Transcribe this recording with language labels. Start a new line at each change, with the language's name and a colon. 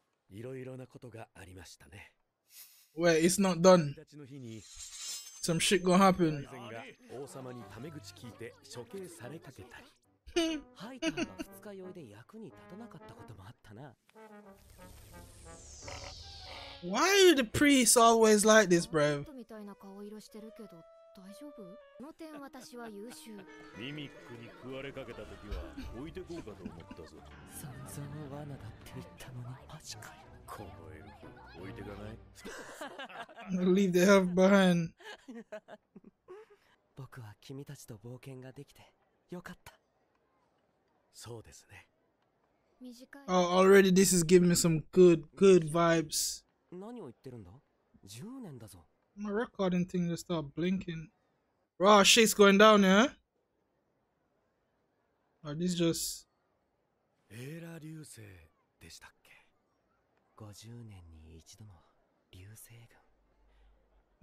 Japanese: いろいろなことがありましたね。
English: Wait, it's not done. Some shit gonna happen.
Japanese: 大臣が王様にタメ口聞いて処刑されかけたり。ハイターが二日酔いで役に立たなかったこともあったな。
English: Why are the priests always like this, bro?
Japanese: みたいな顔色してるけど大丈夫？この点私は優秀。ミミックに食われかけた時は置いてこうかと思ったぞ。散々罠だって言ったのにマジかよ。このエルフ置いてかない。
English: Leave the elf behind.
Japanese: 僕は君たちと冒険ができてよかった。そうですね。
English: Oh, already this is giving me some good vibes.
Japanese: 何を言ってるんだ ?10 年だぞ。
English: My recording thing just start blinking. Bro, shit's going down, yeah? Or this just...
Japanese: エーラ流星でしたっけ ?50 年に一度の流星群。